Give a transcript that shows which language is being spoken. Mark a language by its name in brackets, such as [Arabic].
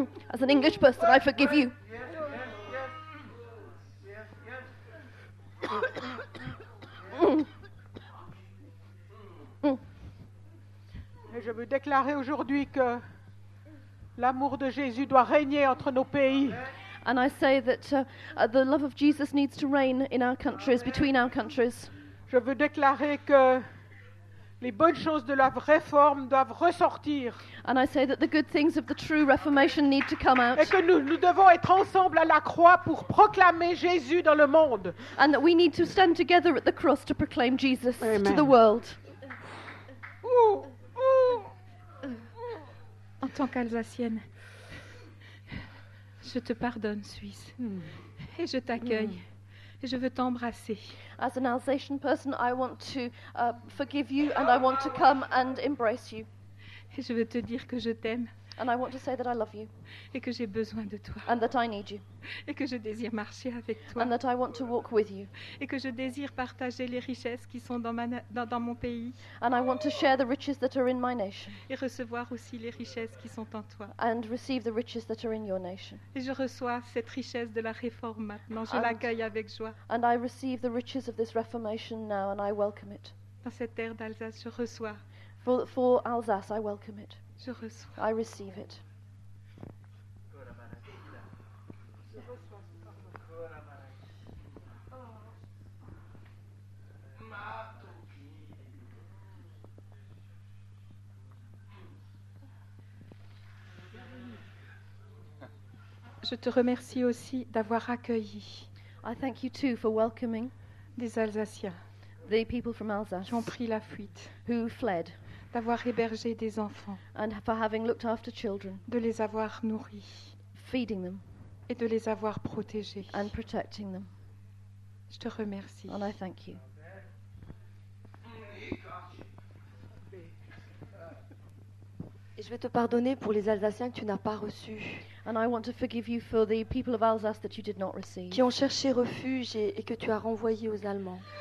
[English] As an English person, I forgive you. [French] Je veux déclarer aujourd'hui que l'amour de Jésus doit régner entre nos pays. [English] And I say that the love of Jesus needs to reign in our countries, between our countries. [French] Je veux déclarer que les bonnes choses de la réforme doivent ressortir. [English] And I say that the good things of the true reformation need to come out. [French] Et que nous devons être ensemble à la croix pour proclamer Jésus dans le monde. [English] And that we need to stand together at the cross to proclaim Jesus. [French] Amen. [English] To the world. Ooh. [French] En tant qu'Alsacienne, je te pardonne, Suisse, et je t'accueille, et je veux t'embrasser. [English] As an Alsatian person, I want to forgive you, and I want to come and embrace you. [French] Et je veux te dire que je t'aime. [English] And I want to say that I love you. [French] Et que j'ai besoin de toi. [English] And that I need you. [French] Et que je désire marcher avec toi. [English] And that I want to walk with you. [French] Et que je désire partager les richesses qui sont dans mon pays. [English] And I want to share the riches that are in my nation. [French] Et recevoir aussi les richesses qui sont en toi. [English] And receive the riches that are in your nation. [French] Et je reçois cette richesse de la réforme maintenant. Je l'accueille avec joie. [English] And I receive the riches of this reformation now and I welcome it. [French] Dans cette terre d'Alsace, je reçois. [English] For Alsace, I welcome it. [French] Je reçois. [English] I receive it. [French] Je te remercie aussi d'avoir accueilli. [English] I thank you too for welcoming [French] des Alsaciens. [English] The people from Alsace. [French] Qui ont pris la fuite. [English] Who fled. [French] D'avoir hébergé des enfants. [English] And for having looked after children. [French] De les avoir nourris. [English] Feeding them. [French] Et de les avoir protégés. [English] And protecting them. [French] Je te remercie. [English] And I thank you. [French] Et je vais te pardonner pour les Alsaciens que tu n'as pas reçus. [English] And I want to forgive you for the people of Alsace that you did not receive. [French] Qui ont cherché refuge et que tu as renvoyé aux Allemands.